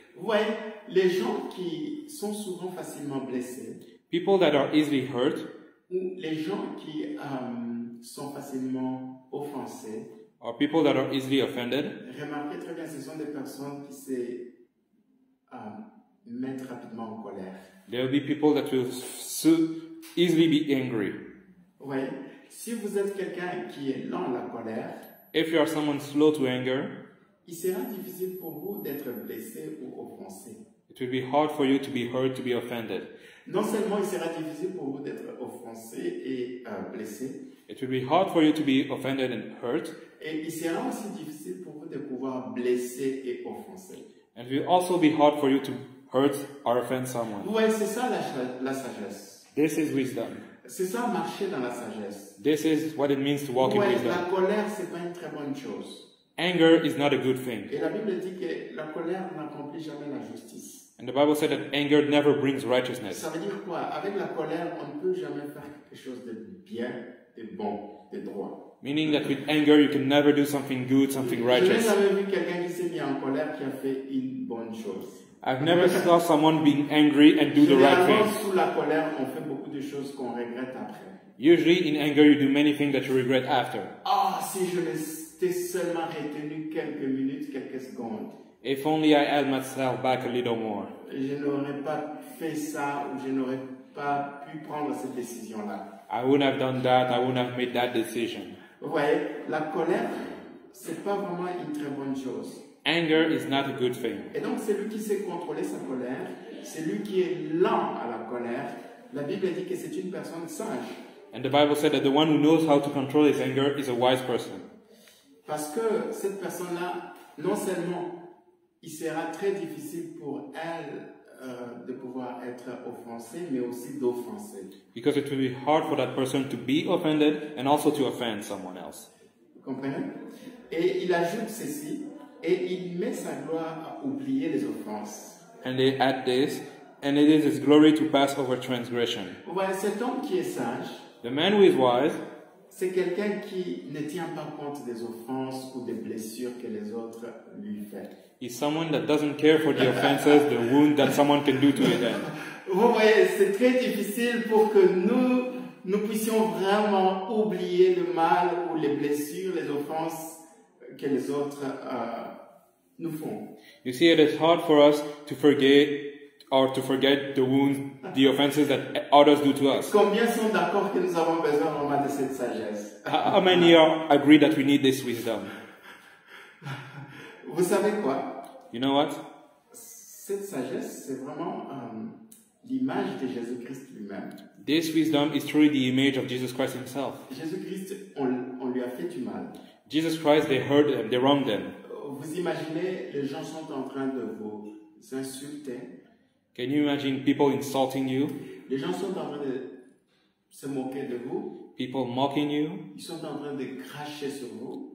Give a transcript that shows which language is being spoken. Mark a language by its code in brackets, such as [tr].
[fr] Ouais, les gens qui sont souvent facilement blessés, [en] people that are easily hurt, [fr] ou les gens qui sont facilement offensés, [en] or people that are easily offended, [fr] remarquez très bien, ce sont des personnes qui se mettre rapidement en colère. [en] There will be people that will easily be angry. [fr] Oui. Si vous êtes quelqu'un qui est lent à la colère, [en] if you are someone slow to anger, [fr] il sera difficile pour vous d'être blessé ou offensé. [en] It will be hard for you to be hurt, to be offended. [fr] Non seulement il sera difficile pour vous d'être offensé et blessé, [en] it will be hard for you to be offended and hurt, [fr] et il sera aussi difficile pour vous de pouvoir blesser et offenser. [en] And it will also be hard for you to hurt or offend someone. [fr] Ouais, c'est ça la sagesse. [en] This is wisdom. [fr] C'est ça marcher dans la sagesse. [en] This is what it means to walk ouais, in wisdom. [fr] La colère, c'est pas une très bonne chose. [en] Anger is not a good thing. [fr] Et la Bible dit que la colère n'accomplit jamais la justice. [en] And the Bible said that anger never brings righteousness. [fr] Ça veut dire quoi? Avec la colère, on ne peut jamais faire quelque chose de bien, de bon, de droit. [en] Meaning that with anger, you can never do something good, something righteous. [fr] Je n'ai jamais vu quelqu'un qui s'est mis en colère qui a fait une bonne chose. [en] I've never saw someone being angry and do the right thing. [fr] Sous la colère, on fait beaucoup de choses qu'on regrette après. [en] Usually in anger you do many things that you regret after. [fr] Ah, si je m'étais seulement retenu quelques minutes, quelques secondes. [en] If only I held myself back a little more. [fr] Je n'aurais pas fait ça ou je n'aurais pas pu prendre cette décision là. [en] I wouldn't have done that, I wouldn't have made that decision. [fr] Ouais, la colère c'est pas vraiment une très bonne chose. [en] Anger is not a good thing. [fr] Et donc celui qui sait contrôler sa colère, celui qui est lent à la colère, la Bible dit que c'est une personne sage. [en] And the Bible said that the one who knows how to control his anger is a wise person. [fr] Parce que cette personne-là, non seulement il sera très difficile pour elle de pouvoir être offensée, mais aussi d'offenser. [en] Because it will be hard for that person to be offended and also to offend someone else. [fr] Vous comprenez? Et il ajoute ceci, et il met sa gloire à oublier les offenses. [en] And they add this, and it is his glory to pass over transgression. [fr] Vous voyez, cet homme qui est sage, [en] the man who is wise, [fr] c'est quelqu'un qui ne tient pas compte des offenses ou des blessures que les autres lui font. [en] Is someone that doesn't care for the offenses, the wound that someone can do to them. [fr] Vous voyez, c'est très difficile pour que nous puissions vraiment oublier le mal ou les blessures, les offenses que les autres nous font. [en] You see, it is hard for us to forget or to forget the wounds, the offenses that others do to us. [fr] Combien sont d'accord que nous avons besoin vraiment de cette sagesse? [en] How many agree that we need this wisdom? [fr] Vous savez quoi? [en] You know what? [fr] Cette sagesse, c'est vraiment l'image de Jésus-Christ lui-même. [en] This wisdom is truly the image of Jesus Christ himself. [fr] Jésus-Christ, on lui a fait du mal. [en] Jesus Christ, they hurt them, they wronged them. [fr] Vous imaginez, les gens sont en train de vous insulter. [en] Can you imagine people insulting you? [fr] Les gens sont en train de se moquer de vous. [en] People mocking you. [fr] Ils sont en train de cracher sur vous.